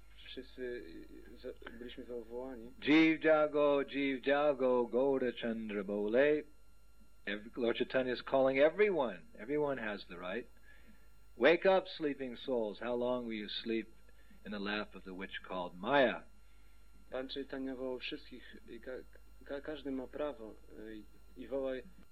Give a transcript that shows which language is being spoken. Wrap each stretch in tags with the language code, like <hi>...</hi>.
<pl>Wszyscy byliśmy zawołani.</pl> <bn>Jeev Jago, Jeev Jago, Gaura Chandra Bole.</bn> <en>Lord Chaitanya is calling everyone. Everyone has the right. Wake up, sleeping souls. How long will you sleep in the lap of the witch called Maya?</en> <pl>Pan Chaitanya wołał wszystkich i każdy ma prawo i wołaj.</pl>